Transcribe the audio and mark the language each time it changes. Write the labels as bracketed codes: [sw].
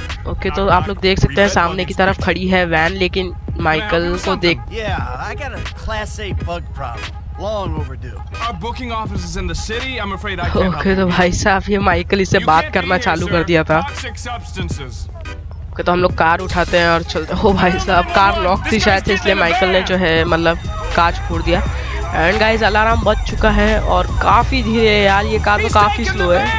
[hi] Okay तो आप लोग देख सकते हैं सामने की तरफ खड़ी है वैन, लेकिन माइकल को देख। [en] Yeah, I got a class A bug problem. Long overdue. Our booking office is in the city. I'm afraid I can't help. [hi] Okay तो भाई साहब ये माइकल इसे बात करना चालू कर दिया था। [en] Toxic substances. Okay [hi] ओके तो हम लोग कार उठाते हैं और चलते हैं। ओ भाई साहब कार लॉक थी शायद से, इसलिए माइकल ने जो है मतलब कार छोड़ दिया। एंड गाइस अलार्म बज चुका है और काफी धीरे है यार, ये कार तो काफी स्लो है।